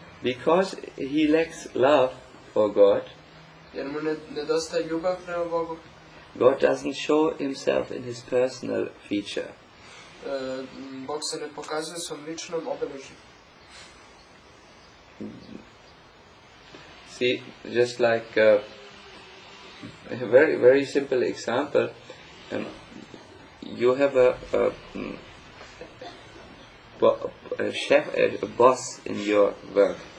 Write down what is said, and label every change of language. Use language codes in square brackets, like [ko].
[en] Because he lacks love for God, [sr] jer mu nedostaje ljubav prema Bogu, [en] God doesn't show himself in his personal feature. [sr] Bog se ne pokazuje svom ličnom obeležju. [en] See, just like a very, very simple example, you have a chef, a boss in your work.